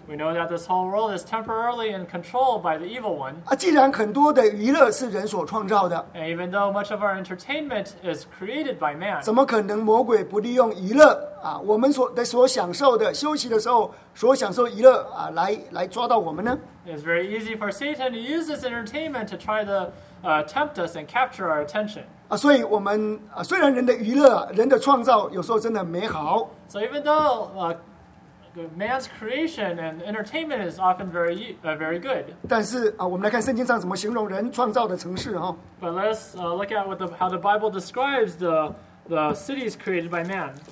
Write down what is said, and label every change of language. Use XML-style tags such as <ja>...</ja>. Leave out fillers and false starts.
<en>We know that this whole world is temporarily in control by the evil one.</en> <zh>既然很多的娱乐是人所创造的。</zh> <en>And even though much of our entertainment is created by man.</en> <zh>怎么可能魔鬼不利用娱乐啊，我们所享受的休息的时候所享受娱乐啊，来抓到我们呢？</zh> <en>It's very easy for Satan to use this entertainment to try to tempt us and capture our attention.</en> <zh>啊，所以我们啊，虽然人的娱乐、人的创造有时候真的美好。</zh> <en>So even though man's creation and entertainment is often very good.</en> <zh>但是啊，我们来看圣经上怎么形容人创造的城市哈。</zh> <en>But let's look at how the Bible describes the cities created by man.</en>